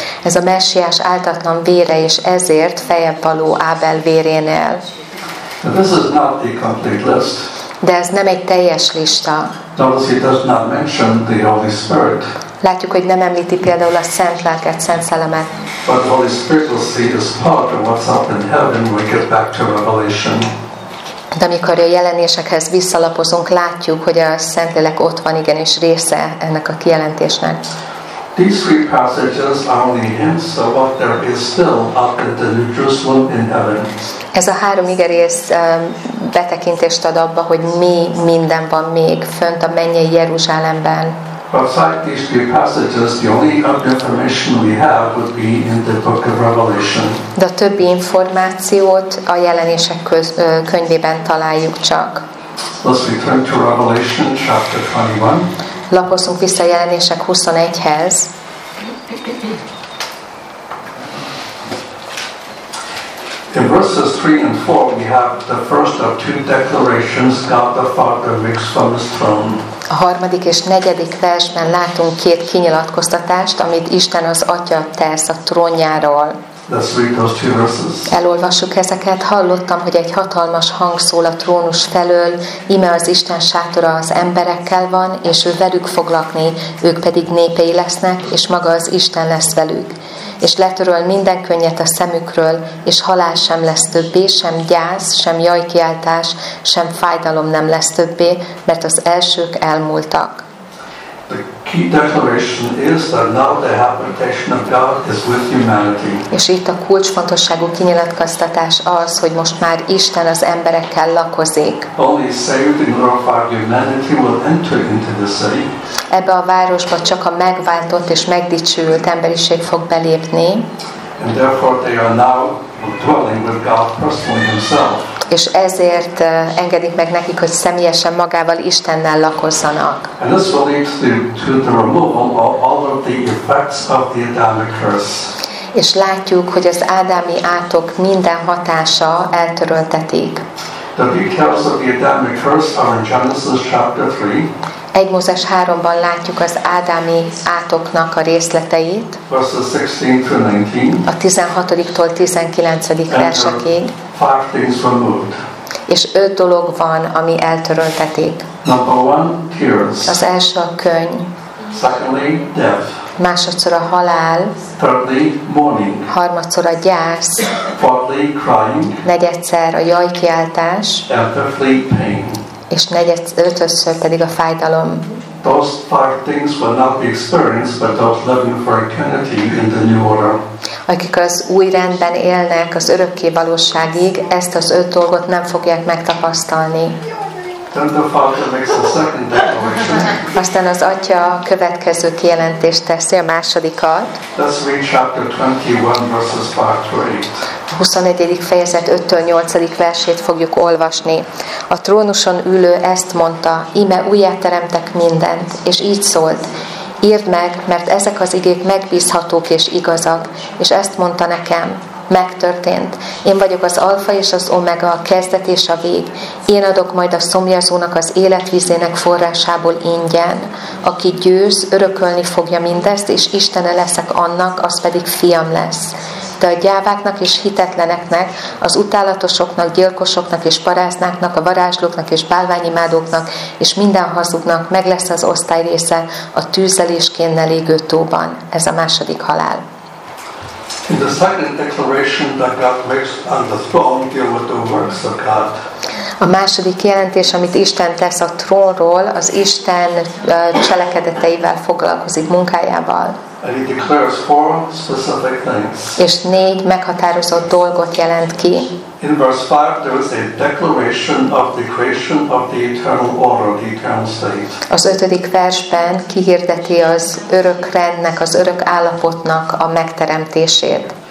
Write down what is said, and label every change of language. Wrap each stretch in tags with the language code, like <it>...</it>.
<hu>Ez a Messiás áltatlan vére, és ezért feljebb való Ábel vérénél.</hu> <en>This is not a complete list.</en> <hu>De ez nem egy teljes lista.</hu> <en>Notice he does not mention the Holy Spirit.</en> <hu>Látjuk, hogy nem említi például a Szent Lelket, Szent Szellemet.</hu> <en>But the Holy Spirit will see this part of what's up in heaven when we get back to Revelation.</en> <hu>De amikor a jelenésekhez visszalapozunk, látjuk, hogy a Szentlélek ott van, igen, és része ennek a kijelentésnek.</hu> <en>These three passages are only hints of what there is still up in the New Jerusalem in heaven.</en> <hu>Ez a három igerész betekintést ad abba, hogy mi minden van még fönt a mennyei Jeruzsálemben.</hu> <en>Outside these three passages, the only information we have would be in the book of Revelation.</en> <hu>De a többi információt a jelenések könyvében találjuk csak.</hu> <en>Let's return to Revelation chapter 21.</en> <hu>Lapozzunk vissza a jelenések 21-hez.</hu> <en>In verses 3 and 4 we have the first of two declarations God the Father makes from his throne.</en> <hu>A harmadik és negyedik versben látunk két kinyilatkoztatást, amit Isten az Atya tesz a trónjáról.</hu> <en>Let's read those two verses.</en> <hu>Elolvassuk ezeket. Hallottam, hogy egy hatalmas hang szól a trónus felől, íme az Isten sátora az emberekkel van, és ő velük fog lakni, ők pedig népei lesznek, és maga az Isten lesz velük. És letöröl minden könnyet a szemükről, és halál sem lesz többé, sem gyász, sem jajkiáltás, sem fájdalom nem lesz többé, mert az elsők elmúltak.</hu> <en>The key declaration is that now the habitation of God is with humanity.</en> <hu>És itt a kulcsfontosságú kinyilatkoztatás az, hogy most már Isten az emberekkel lakozik.</hu> <en>Only saved and glorified humanity will enter into the city.</en> <hu>Ebbe a városba csak a megváltott és megdicsült emberiség fog belépni.</hu> <en>And therefore they are now dwelling with God personally himself.</en> <hu>És ezért engedik meg nekik, hogy személyesen magával Istennel lakozzanak.</hu> <en>And this will lead to the removal of all of the effects of the Adamic curse.</en> <hu>És látjuk, hogy az ádámi átok minden hatása eltöröltetik.</hu> <en>The details of the Adamic curse are in Genesis chapter 3.</en> <hu>1 Mózes 3-ban látjuk az ádámi átoknak a részleteit.</hu> <en>Verses 16 to 19.</en> <hu>A 16-tól 19. versekig.</hu> <en>Five things removed.</en> <hu>És 5 dolog van, ami eltöröltetik.</hu> <en>Number 1, tears.</en> <hu>Az első a könny.</hu> <en>Secondly, death.</en> <hu>másodszor a halál,</hu> <en>thirdly, mourning,</en> <hu>harmadszor a gyász,</hu> <en>fourthly, crying,</en> <hu>negyedszer a jajkiáltás,</hu> <en>and fifthly, pain,</en> <hu>és ötödször pedig a fájdalom.</hu> <en>Those five things will not be experienced by those living for eternity in the new order.</en> <hu>Akik az új rendben élnek az örökké valóságig, ezt az öt dolgot nem fogják megtapasztalni.</hu> <en>Then the father makes a second declaration.</en> <hu>Aztán az atya a következő kijelentést teszi, a másodikat.</hu> <en>Let's read chapter 21 verses 5-8.</en> <hu>21. fejezet 5-től 8. versét fogjuk olvasni. A trónuson ülő ezt mondta, íme újjáteremtek mindent, és így szólt, írd meg, mert ezek az igék megbízhatók és igazak, és ezt mondta nekem, megtörtént. Én vagyok az alfa és az omega, a kezdet és a vég. Én adok majd a szomjazónak az életvizének forrásából ingyen. Aki győz, örökölni fogja mindezt, és Istene leszek annak, az pedig fiam lesz. De a gyáváknak és hitetleneknek, az utálatosoknak, gyilkosoknak és paráznáknak, a varázslóknak és bálványimádóknak és minden hazugnak meg lesz az osztály része a tűzelésként elégő tóban. Ez a második halál.</hu> <en>In the second declaration that God makes on the throne, deal with the works of God.</en> <hu>A második jelentés, amit Isten tesz a trónról, az Isten cselekedeteivel foglalkozik, munkájával.</hu> <en>And he declares four specific things.</en> <hu>És négy meghatározott dolgot jelent ki.</hu> <en>In verse 5 there is a declaration of the creation of the eternal order, the eternal state.</en> <hu>Az ötödik versben kihirdeti az örök rendnek, az örök állapotnak a megteremtését.</hu>